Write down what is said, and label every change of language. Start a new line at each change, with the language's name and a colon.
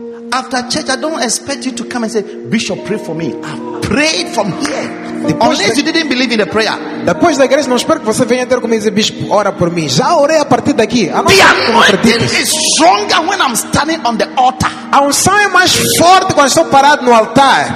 English: after church, I don't expect you to come and say, "Bishop, pray for me." I prayed from here.
Portuguese: Depois
English: unless you didn't believe in the prayer.
Portuguese: Depois da igreja, não espero que você venha ter comigo e dizer, "Bishop, ora por mim." Já orei a partir daqui.
English: The anointing is stronger when I'm standing on the altar.
Portuguese: A unção é mais forte quando estou parado no altar.